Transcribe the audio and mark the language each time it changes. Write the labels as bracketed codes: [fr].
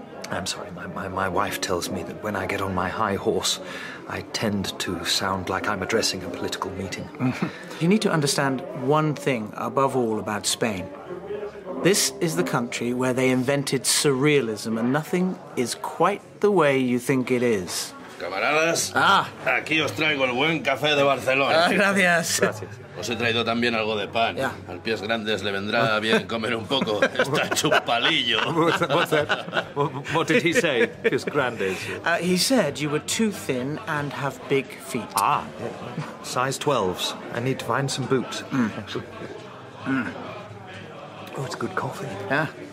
[en] I'm sorry, my wife tells me that when I get on my high horse, I tend to sound like I'm addressing a political meeting. You need to understand one thing above all about Spain. This is the country where they invented surrealism, and nothing is quite the way you think it is. [es] Camaradas, aquí os traigo el buen café de Barcelona. Gracias. Os he traído también algo de pan. [en] Yeah. [es] Al pies grandes le vendrá bien comer un poco. Está hecho un palillo. [en] What's that? What did he say, pies grandes? He said you were too thin and have big feet. Ah, yeah. Size 12s. I need to find some boots. Oh, it's good coffee. Yeah.